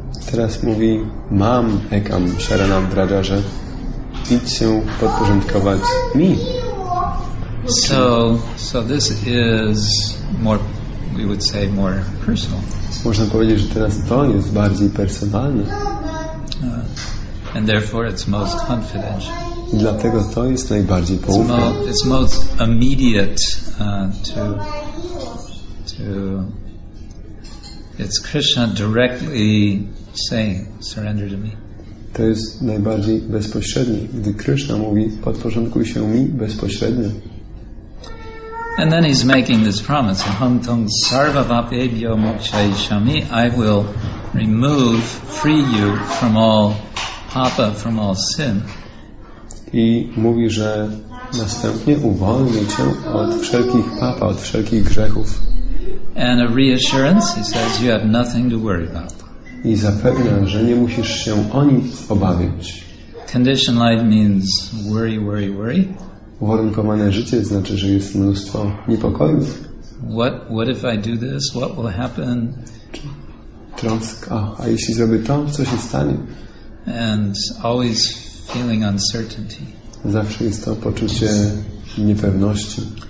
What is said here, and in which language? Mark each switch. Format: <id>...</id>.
<pl>Teraz mówi,</pl> <sa>mam ekam, Sharanam Raja,</sa> <pl>że idź się podporządkować mi.</pl> <en>So this is more, we would say, more personal.</en> <pl>Można powiedzieć, że teraz to jest bardziej personalne.</pl> <en>And therefore it's most confidential.</en> <pl>I dlatego to jest najbardziej poufne.</pl> <en>It's most immediate to it's Krishna directly saying, surrender to me.</en> <pl>To jest najbardziej bezpośrednie, gdy Krishna mówi, podporządkuj się mi bezpośrednio.</pl> <en>And then he's making this promise,</en> <sa>aham tum sarvavapebhyo mokshayishami,</sa> <en>I will remove, free you from all papa, from all sin.</en> <pl>I mówi, że następnie uwolni cię od wszelkich papa, od wszelkich grzechów.</pl> <en>And a reassurance, he says, you have nothing to worry about.</en> <pl>I zapewnia, że nie musisz się o nic obawiać.</pl> <en>Conditional life means worry, worry, worry.</en> <pl>Uwarunkowane życie znaczy, że jest mnóstwo niepokojów.</pl> <en>What if I do this? What will happen?</en> <pl>Troska. A jeśli zrobię to, co się stanie?</pl> <en>And always feeling uncertainty.</en> <pl>Zawsze jest to poczucie niepewności.</pl>